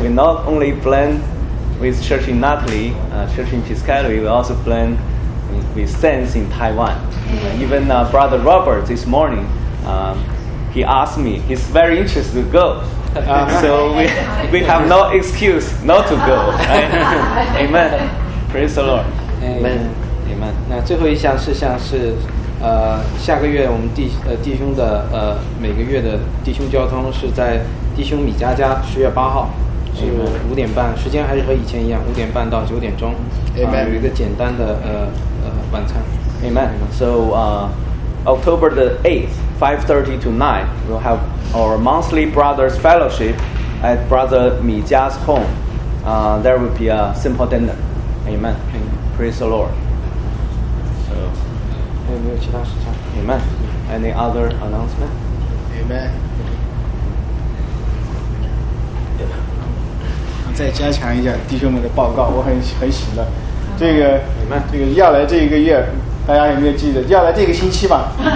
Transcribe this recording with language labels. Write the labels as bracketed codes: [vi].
[en] We not only plan with church in Natalie, church in Piscataway, we also plan with saints in Taiwan. Even Brother Robert this morning, he asked me, he's very interested to go. So we have no excuse not to go, right? Amen. Praise the Lord. Amen. Amen. [zh] 那最后一项事项是下个月我们弟兄的每个月的弟兄交通是在弟兄米家10月8号。是五点半，时间还是和以前一样，五点半到九点钟， [en] Amen. [zh] 有一个简单的晚餐。 [en] Amen. So, October the 8th, 5:30 to 9, we'll have our monthly brothers fellowship at Brother Mi Jia's home. There will be a simple dinner. Amen. Praise the Lord. [zh] So, 还有没有其他事情？ [en] Amen. Any other announcement? Amen. [zh] 再加强一下弟兄们的报告，我很喜乐。这个要来这一个月，大家有没有记得要来这个星期吧？